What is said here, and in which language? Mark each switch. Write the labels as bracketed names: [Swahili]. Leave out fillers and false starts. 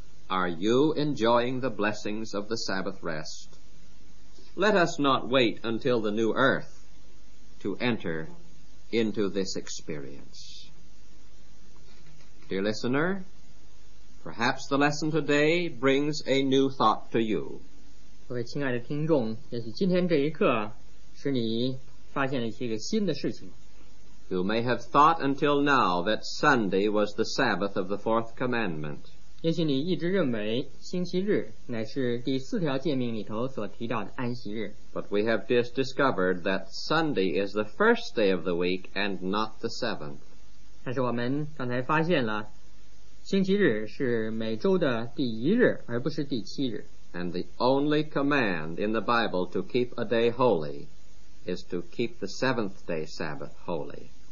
[English] Are you enjoying the blessings of the Sabbath rest? Let us not wait until the new earth to enter into this experience. Dear listener, perhaps the lesson today brings a new thought to you. [Chinese] 各位亲爱的听众, 也许今天这一刻, 使你发现了一些新的事情。 [English] You may have thought until now that Sunday was the Sabbath of the fourth commandment. [Chinese] 也许你一直认为星期日乃是第四条诫命里头所提到的安息日。 [English] But we have just discovered that Sunday is the first day of the week and not the seventh. [Chinese] 但是我们刚才发现了星期日是每周的第一日而不是第七日。 [English] And the only command in the Bible to keep a day holy is to keep the seventh day Sabbath holy.